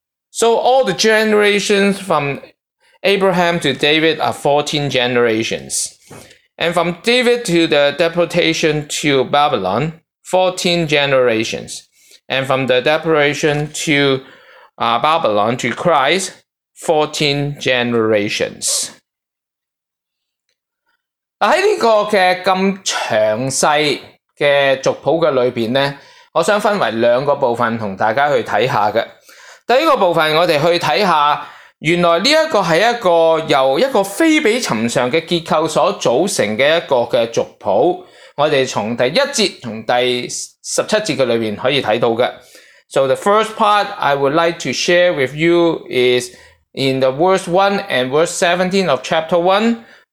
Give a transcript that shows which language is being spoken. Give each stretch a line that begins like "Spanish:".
English: So all the generations from Abraham to David are 14 generations. And from David to the deportation to Babylon, 14 generations. And from the deportation to Babylon to Christ, 14 generations.
Chinese: 在这个这么详细的族谱里面呢，我想分为两个部分和大家去看一下。第一个部分我们去看一下，原来这个是一个由一个非比寻常的结构所组成的一个的族谱，我们从第一节和第十七节的里面可以看到的。
English: So the first part I would like to share with you is in the verse 1 and verse 17 of chapter 1.